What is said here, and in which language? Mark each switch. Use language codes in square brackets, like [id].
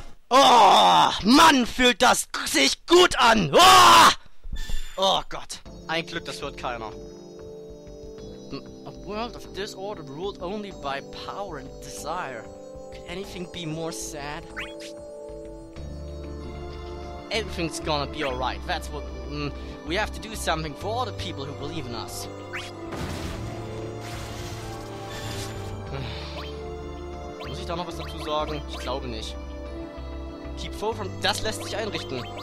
[de] Oh, Mann, fühlt das sich gut an! Oh Gott, ein Glück, das hört keiner. [en] A world of disorder ruled only by power and desire. Could anything be more sad? Everything's gonna be alright, that's what... we have to do something for all the people who believe in us. [de] Muss ich da noch was dazu sagen? Ich glaube nicht. [en] Keep four from. [de] Das lässt sich einrichten.